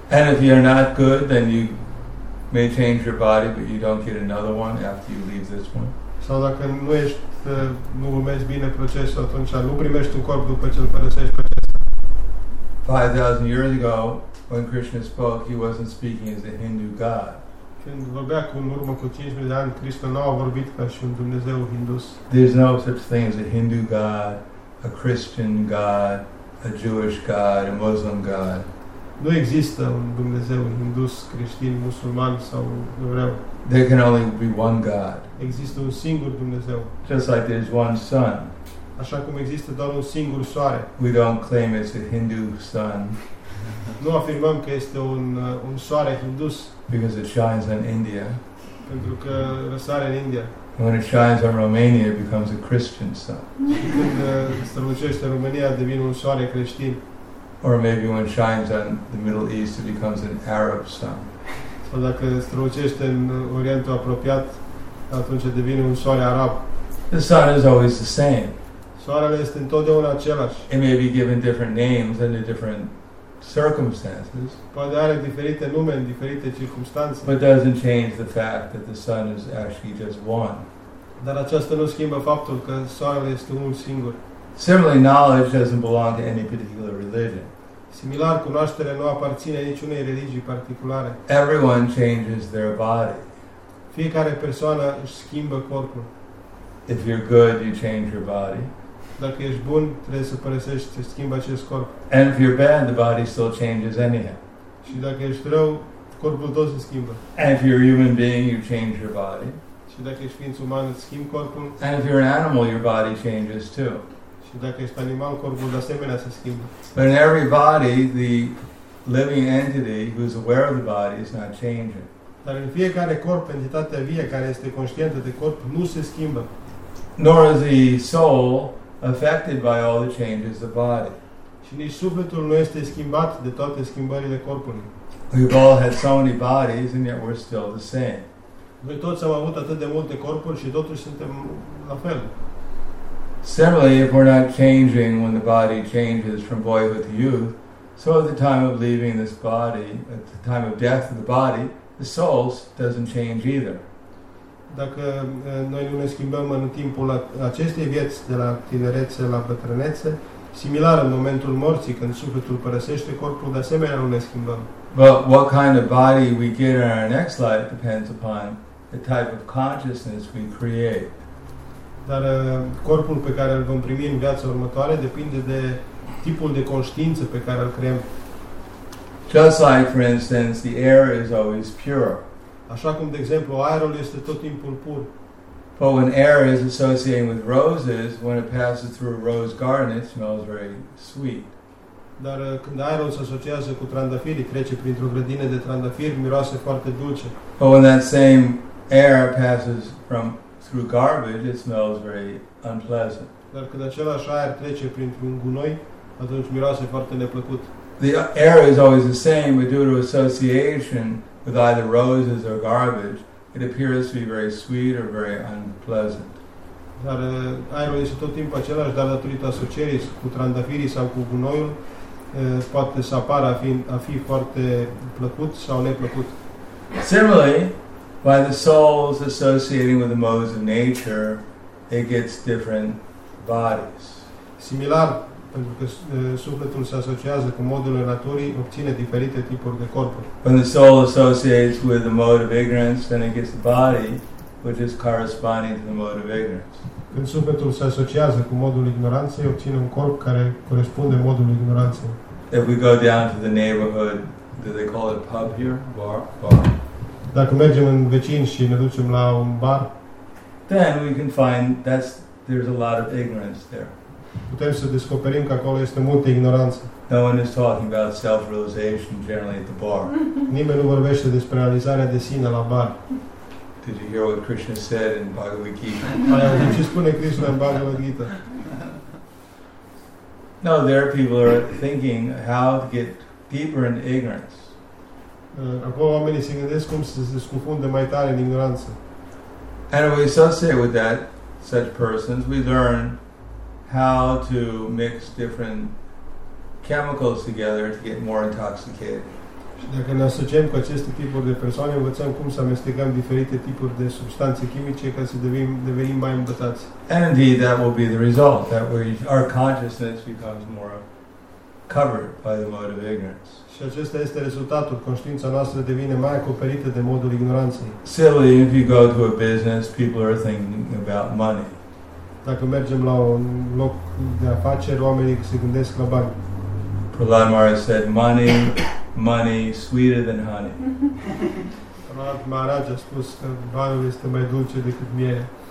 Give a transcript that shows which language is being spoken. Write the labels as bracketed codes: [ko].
[en] And if you are not good, then you may change your body, but you don't get another one after you leave this one. [ro] Sau dacă nu ești, nu urmezi bine procesul, atunci nu primești un corp după ce îl părăsești procesul. [en] 5,000 years ago, when Krishna spoke, he wasn't speaking as a Hindu god. [ro] Când vorbea cu în urmă cu 5,000 de ani, Krishna nu a vorbit ca și un Dumnezeu hindus. [en] There's no such thing as a Hindu god, a Christian god, a Jewish god, a Muslim god. [ro] Nu există un Dumnezeu hindus, creștin, musulman sau evreu. [en] There can only be one god. [ro] Există un singur Dumnezeu. [en] Just like there's one sun. [ro] Așa cum există doar un singur soare. [en] We don't claim it's a Hindu sun. [ro] Nu afirmăm că este un soare hindus. [en] Because it shines in India. [ro] Pentru că răsare în India. [en] When it shines on Romania, it becomes a Christian sun. [ro] Când strălucește România, devine un soare creștin. [en] Or maybe when it shines on the Middle East, it becomes an Arab sun. [ro] Sau dacă strălucește în Orientul apropiat, atunci devine un soare arab. [en] The sun is always the same. [ro] Soarele este întotdeauna același. [en] It may be given different names under different circumstances. [ro] Poate are diferite nume, diferite circumstanțe. [en] But doesn't change the fact that the sun is actually just one. [ro] Dar aceasta nu schimbă faptul că soarele este unul singur. [en] Similarly, knowledge doesn't belong to any particular religion. [ro] Similar, cunoașterea nu aparține niciunei religii particulare. [en] Everyone changes their body. [ro] Fiecare persoană își schimbă corpul. [en] If you're good, you change your body. [ro] Dacă ești bun, trebuie să părăsești, să schimbi acest corp. [en] And if you're bad, the body still changes anyhow. [ro] Și dacă ești rău, corpul tot se schimbă. [en] And if you're a human being, you change your body. [ro] Și dacă ești ființă umană, schimbi corpul. [en] And if you're an animal, your body changes too. [ro] Și dacă ești animal, corpul de asemenea se schimbă. [en] But in every body, the living entity who's aware of the body is not changing. [ro] Dar în fiecare corp, entitatea vie care este conștientă de corp, nu se schimbă. [en] Nor is the soul affected by all the changes of body. [ro] Și nici sufletul nu este schimbat de toate schimbările corpului. [en] We've all had so many bodies and yet we're still the same. [ro] Noi toți am avut atât de multe corpuri și totuși suntem la fel. [en] Similarly, if we're not changing when the body changes from boyhood to youth, so at the time of leaving this body, at the time of death of the body, the soul doesn't change either. [ro] Dacă noi nu ne schimbăm în timpul acestei vieți, de la tinerețe la bătrânețe, similar în momentul morții, când sufletul părăsește corpul, de asemenea nu ne schimbăm. [en] But what kind of body we get in our next life depends upon the type of consciousness we create. [ro] Dar corpul pe care îl vom primi în viața următoare depinde de tipul de conștiință pe care îl creăm. [en] Just like, for instance, the air is always pure. [ro] Așa cum, de exemplu, aerul este tot timpul pur. [en] But when air is associated with roses, when it passes through a rose garden, it smells very sweet. [ro] Dar când aerul se asociază cu trandafirii, trece printr-o grădină de trandafiri, miroase foarte dulce. [en] But when that same air passes from through garbage, it smells very unpleasant. [ro] Dar când același aer trece printr-un gunoi, atunci miroase foarte neplăcut. [en] The air is always the same, but due to association with either roses or garbage, it appears to be very sweet or very unpleasant. [ro] Dar aerul este tot timpul același, dar datorită asocierii cu trandafirii sau cu gunoiul, poate să apară a fi foarte plăcut sau neplăcut. [en] Similarly, by the souls associating with the modes of nature, it gets different bodies. [ro] Similar, pentru că sufletul se asociază cu modul naturii, obține diferite tipuri de corpuri. [en] When the soul associates with the mode of ignorance, then it gets the body, which is corresponding to the mode of ignorance. [ro] Când sufletul se asociază cu modul ignoranței, obține un corp care corespunde modul ignoranței. [en] If we go down to the neighborhood, do they call it a pub here? [ro] Bar? Dacă mergem în vecin și ne ducem la un bar, [en] then we can find that there's a lot of ignorance there. [ro] Putem să descoperim că acolo este multă ignoranță. [en] No one is talking about self-realization generally at the bar. [ro] Nimeni nu vorbește despre realizarea de sine la bar. [en] Did you hear what Krishna said in Bhagavad Gita? [ro] Ce spune Krishna în Bhagavad Gita? [en] No, there people are thinking how to get deeper in ignorance. [ro] Acolo oamenii se gândesc cum să se scufunde mai tare în ignoranță. [en] And we associate with that such persons, we learn how to mix different chemicals together to get more intoxicated. [ro] Și dacă ne asociem cu aceste tipuri de persoane, învățăm cum să amestecăm diferite tipuri de substanțe chimice ca să devenim mai îmbătați. [en] And indeed, that will be the result, that our consciousness becomes more covered by the mode of ignorance. [ro] Și acesta este rezultatul. Conștiința noastră devine mai acoperită de modul ignoranței. [en] Silly, if you go to a business, people are thinking about money. [ro] Dacă mergem la un loc de afaceri, oamenii se gândesc la bani. [en] Prahlad Maharaj said, money, money, sweeter than honey. [ro] Prahlad Maharaj a spus că banul este mai dulce decât miere.